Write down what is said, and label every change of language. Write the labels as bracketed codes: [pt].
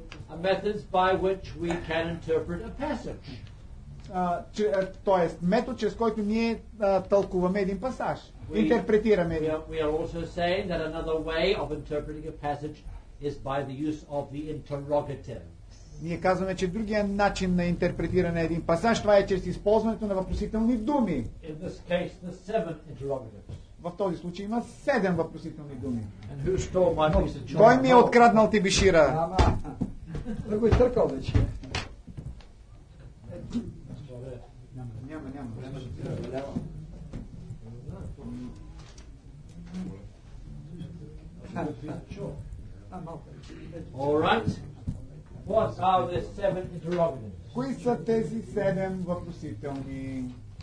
[en] A methods by which we can interpret a passage. [bg] Тоест, метод, чрез който ние тълкуваме един пасаж. Интерпретираме. [en] We are also saying that another way of interpreting a passage is by the use of the interrogative. [bg] Ние казваме, че другия начин на интерпретиране на един пасаж, това е чрез използването на въпросителни думи. [en] In this case, the seven interrogatives. [bg] В този случай има седем въпросителни думи. [en] And who stole my piece of chocolate? [bg] Кой ми е откраднал ти бишира? Да го изтъркал вече. [en] All right. What are the seven interrogatives? [bg] Кои са тези седем въпросителни?